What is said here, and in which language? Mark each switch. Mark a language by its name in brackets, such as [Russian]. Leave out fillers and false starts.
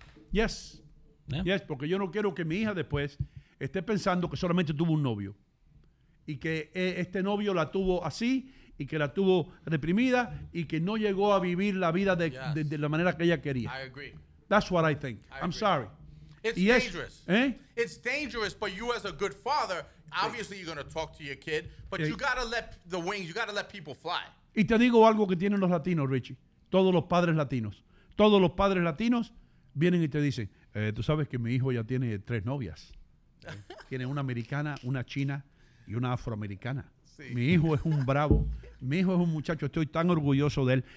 [English] Yes. ¿Eh? [Spanish] Yes, porque yo no quiero que mi hija después esté pensando que solamente tuvo un novio. Y que este novio la tuvo así, y que la tuvo reprimida, y que no llegó a vivir la vida de la manera que ella quería. [English] I agree. That's what I think. I'm sorry. It's dangerous. ¿Eh? It's dangerous, but you as a good father, obviously you're going to talk to your kid, but you got to let the wings, you got to let people fly. [Spanish] Y te digo algo que tienen los latinos, Richie. Todos los padres latinos. Todos los padres latinos vienen y te dicen, tú sabes que mi hijo ya tiene 3 novias. Tiene una americana, una china y una afroamericana. Sí. Mi hijo es un bravo. Mi hijo es un muchacho. Estoy tan orgulloso de él.